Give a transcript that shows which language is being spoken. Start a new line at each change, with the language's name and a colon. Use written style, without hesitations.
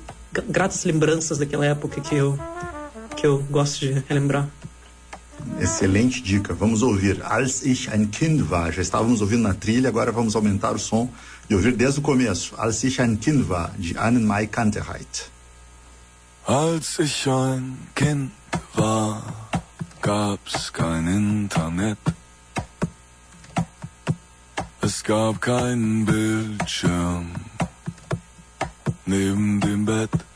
Portuguese: Gratas lembranças daquela época que eu gosto de relembrar. Excelente dica. Vamos ouvir Als ich ein Kind war. Já estávamos ouvindo na trilha, agora vamos aumentar o som e ouvir desde o começo. Als ich ein Kind war, de Anne May Cantereit.
German: Als ich ein Kind war, gab's kein Internet. Es gab keinen Bildschirm neben dem Bett.